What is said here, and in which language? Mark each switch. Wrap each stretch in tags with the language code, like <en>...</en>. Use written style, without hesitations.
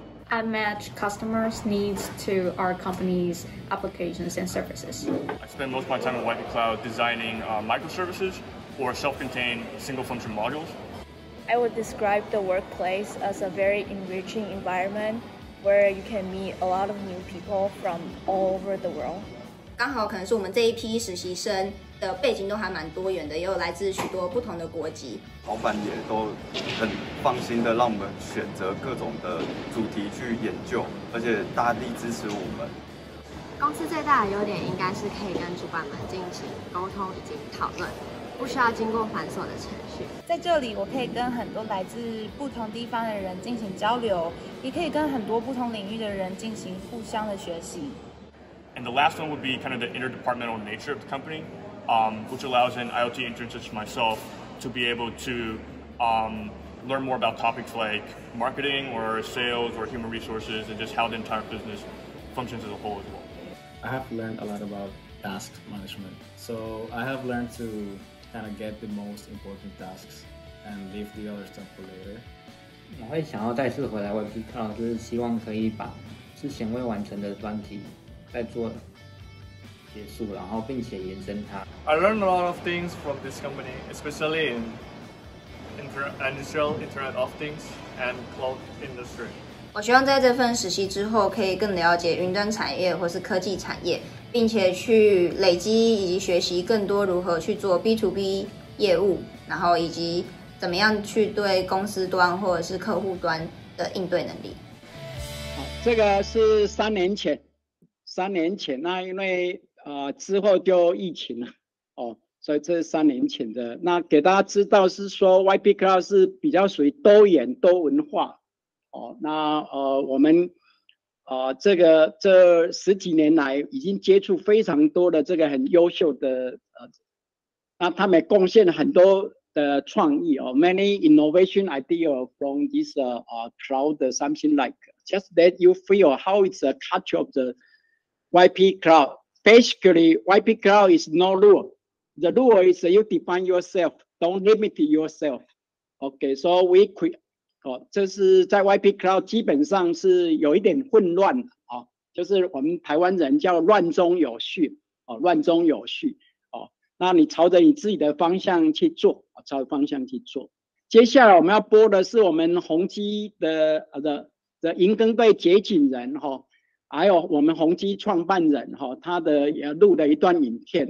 <en>I match customers' needs to our company's applications and services. I spend most of my time in YP Cloud designing microservices. Or self-contained single function modules. I would describe the workplace as a very enriching environment where you can meet a lot of new people from all over the world.</en> <zh>刚好可能是我们这一批实习生的背景都还蛮多元的，也有来自许多不同的国籍。老板也都很放心的让我们选择各种的主题去研究，而且大力支持我们。公司最大的优点应该是可以跟主管们进行沟通以及讨论。不需要经过繁琐的程序，在这里我可以跟很多来自不同地方的人进行交流，也可以跟很多不同领域的人进行互相的学习。</zh> <en>And the last one would be kind of the interdepartmental nature of the company, which allows an IoT intern such as myself to be able to learn more about topics like marketing or sales or human resources and just how the entire business functions as a whole as well. I have learned a lot about task management, so I have learned to. Kind of get the most important tasks and leave the other stuff for later.</en> <zh>我会想要再次回来 YP Cloud， 就是希望可以把之前未完成的专题再做结束，然后并且延伸它。</zh> <en>I learned a lot of things from this company, especially in industrial Internet of Things and cloud industry.</en> <zh>我希望在这份实习之后可以更了解云端产业或是科技产业。并且去累积以及学习更多如何去做 B2B 业务，然后以及怎么样去对公司端或者是客户端的应对能力。这个是三年前，那因为之后就疫情了所以这是三年前的。那给大家知道是说 YP Cloud 是比较属于多元多文化那我们这个这十几年来已经接触非常多的这个很优秀的那他们贡献很多的创意哦 ，</zh> <en>many innovation idea from this cloud something like just let you feel how it's a culture of the YP cloud. Basically, YP cloud is no rule. The rule is you define yourself, don't limit yourself. Okay, so we create.</en> <zh>哦，这是在 YP Cloud 基本上是有一点混乱啊，就是我们台湾人叫乱中有序哦，乱中有序哦。那你朝着你自己的方向去做，朝着方向去做。接下来我们要播的是我们宏基的银耕队结景人哈，还有我们宏基创办人哈，他的也录了一段影片。</zh>